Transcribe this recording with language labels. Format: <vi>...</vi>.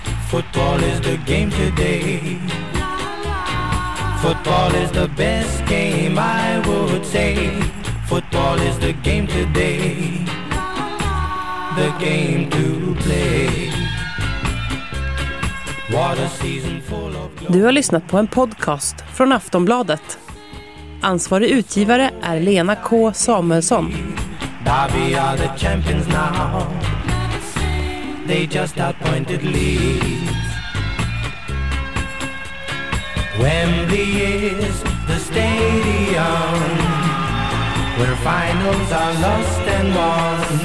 <en>Football is the game today. Football is the best game, I would say. Football is the game today. The game to play. What a season full of glory.</en> <sv>Du har lyssnat på en podcast från Aftonbladet. Ansvarig utgivare är Lena K. Samuelsson.</sv> <en>We are the champions now. They just appointed Leeds. Wembley is the stadium where finals are lost and won.</en>